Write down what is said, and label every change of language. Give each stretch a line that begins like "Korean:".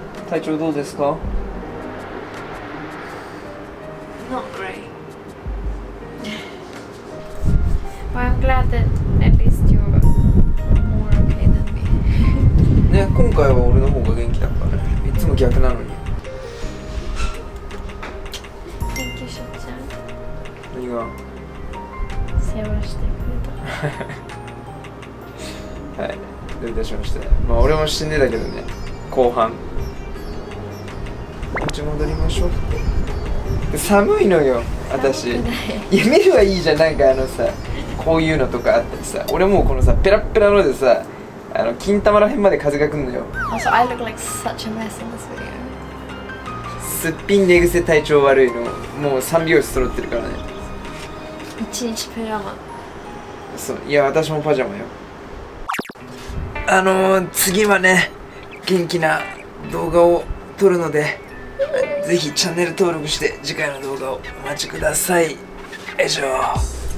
Japanese: 体調どうですか?
English: Not great. But I'm glad that at least you're more okay than me.
Japanese: ね、今回は俺の方が元気だったね。いつも逆なのに。
English: Thank you, Shogo-chan.
Japanese: 何が? 世話してくれた。はい、どういたしまして。まあ俺も死んでたけどね、後半こっち戻りましょう。寒いのよ、私。寒くない。いや、見るはいいじゃん、なんかあのさ、こういうのとかあったりさ。俺もうこのさ、ペラペラのでさ、あの、金玉ら辺まで風が来んのよ。
English: Also, I look like such a mess in this video.
Japanese: すっぴん寝癖体調悪いの、もう3拍子揃ってるからね。一日パジャマ。そう、いや、私もパジャマよ。次はね、元気な動画を撮るので、ぜひチャンネル登録して次回の動画をお待ちください。よいしょ。